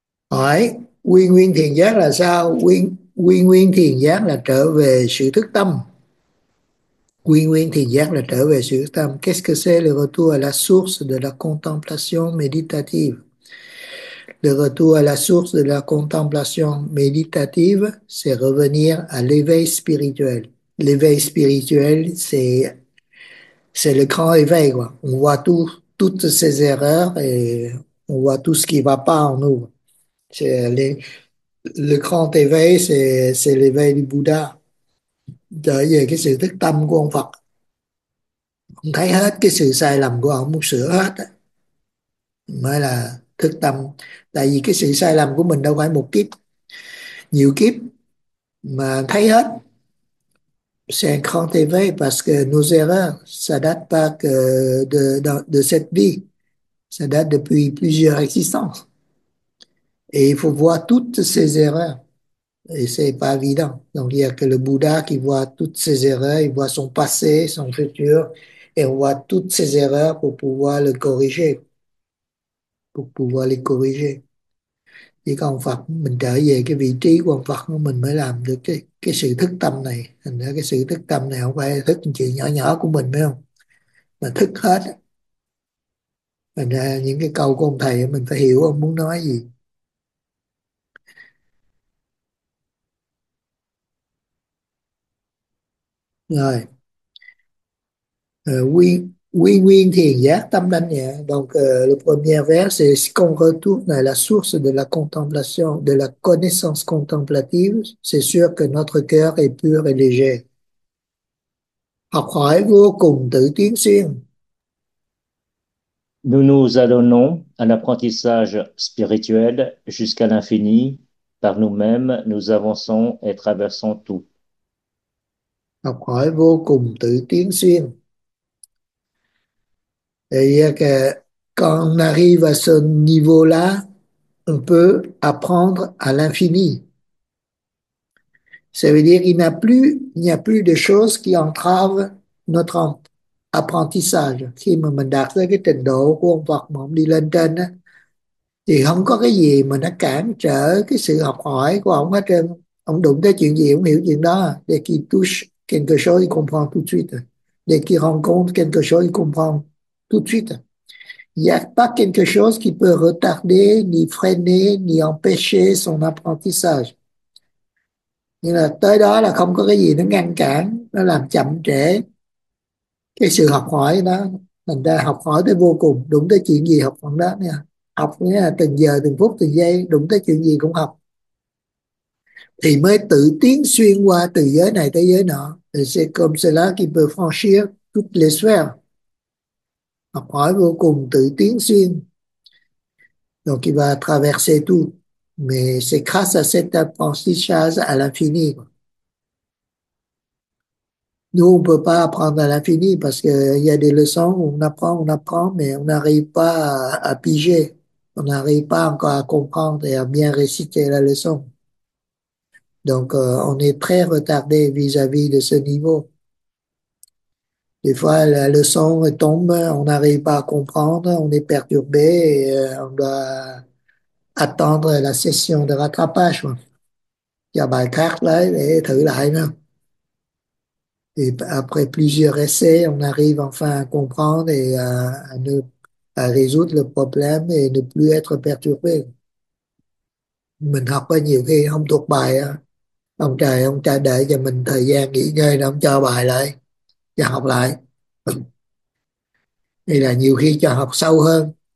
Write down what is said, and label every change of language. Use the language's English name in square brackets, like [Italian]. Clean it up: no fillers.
[Vietnamese] Hỏi, oui, nguyên thiền giác là sao? Oui, nguyên thiền giác là trở về sự thức tâm. Oui, nguyên thiền giác là trở về sự thức tâm. [French] Qu'est-ce que c'est le retour à la source de la contemplation méditative? Le retour à la source de la contemplation méditative, c'est revenir à l'éveil spirituel. L'éveil spirituel, c'est le grand éveil, quoi. On voit toutes ces erreurs et on voit tout ce qui ne va pas en nous. Le grand éveil, c'est l'éveil du Bouddha. Il y a [Vietnamese] cái sự thức tâm của ông Phật. Ông thấy hết cái sự sai lầm của ông, muốn sửa hết. Mới là thức tâm. Tại vì cái sự sai lầm của mình đâu phải một kiếp, nhiều kiếp, mà thấy hết. [French] C'est un grand éveil parce que nos erreurs, ça date pas que de cette vie. Ça date depuis plusieurs existences. Et il faut voir toutes ces erreurs. Et c'est pas évident. Donc, il y a que le Bouddha qui voit toutes ses erreurs, il voit son passé, son futur, et on voit toutes ses erreurs pour pouvoir le corriger. Pour pouvoir les corriger. [Vietnamese] Thì còn Phật mình trở về cái vị trí của ông Phật mình mới làm được cái sự thức tâm này. Thành ra cái sự thức tâm này không phải thức những chuyện nhỏ nhỏ của mình phải không, mà thức hết. Thành ra những cái câu của ông thầy mình phải hiểu ông muốn nói gì. Rồi, Quy nguyên thiền giác tâm thanh nhẹ. [French] Donc le premier vers c'est qu'on retourne à la source de la contemplation, de la connaissance contemplative. C'est sûr que notre cœur est pur et léger. [Vietnamese] Học hỏi vô cùng tự tiến xuyên. [French] Nous nous adonnons à l'apprentissage spirituel jusqu'à l'infini. Par nous-mêmes, nous avançons et traversons tout. [Vietnamese] Học hỏi vô cùng tự tiến xuyên. [French] C'est-à-dire que quand on arrive à ce niveau-là, on peut apprendre à l'infini. Ça veut dire il n'y a plus de choses qui entravent notre apprentissage. [Vietnamese] Khi mà mình đạt tới cái trình độ của ông Phật mà ông đi lên trên á, thì không có cái gì mà nó cản trở cái sự học hỏi của ông hết trơn. Ông đụng tới chuyện gì, ông hiểu chuyện đó. [French] Dès qu'il touche quelque chose, il comprend tout de suite. Dès qu'il rencontre quelque chose, il comprend tout de suite. Il n'y a pas quelque chose qui peut retarder, ni freiner, ni empêcher son apprentissage. [Vietnamese] Nhưng là tới đó là không có cái gì nó ngăn cản, nó làm chậm trễ cái sự học hỏi đó. Mình đã học hỏi tới vô cùng, đụng tới chuyện gì học phần đó nha. Học nghĩa là từng giờ, từng phút, từng giây, đụng tới chuyện gì cũng học. Thì mới tự tiến xuyên qua từ giới này tới giới nọ. [French] C'est comme cela qu'il peut franchir toutes les sphères. [Vietnamese] Học hỏi vô cùng tự tiến xuyên. [French] Donc il va traverser tout. Mais c'est grâce à cet apprentissage à l'infini. Nous, on ne peut pas apprendre à l'infini parce qu'il y a des leçons où on apprend, mais on n'arrive pas à piger. On n'arrive pas encore à comprendre et à bien réciter la leçon. Donc on est très retardé vis-à-vis de ce niveau. Des fois, la leçon tombe, on n'arrive pas à comprendre, on est perturbé et on doit attendre la session de rattrapage. Il y a [Vietnamese] bài khác là, [French] et [Vietnamese] thử lại nữa. [French] Et après plusieurs essais, on arrive enfin à comprendre et à résoudre le problème et ne plus être perturbé. [Vietnamese] Mình học có nhiều khi không thuộc bài, ông trời để cho mình thời gian nghỉ ngơi, ông cho bài lại. Và học lại thì là nhiều khi cho học sâu hơn.